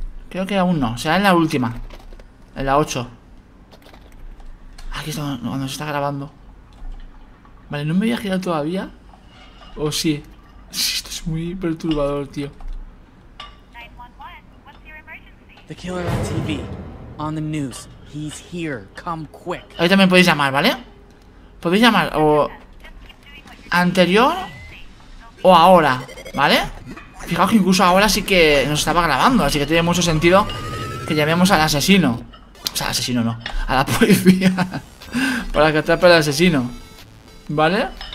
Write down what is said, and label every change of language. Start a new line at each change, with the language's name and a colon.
Spanish: Creo que aún no, será en la última. En la 8. Aquí está cuando se está grabando. Vale, ¿no me voy a girar todavía? ¿O sí? Esto es muy perturbador, tío.
English: The killer on TV, on the news. He's here. Come quick.
Spanish: Ahí también podéis llamar, ¿vale? Podéis llamar o anterior o ahora, ¿vale? Fijaos que incluso ahora sí que nos estaba grabando, así que tiene mucho sentido que llamemos al asesino. O sea, al asesino no, a la policía para que atrape al asesino, ¿vale?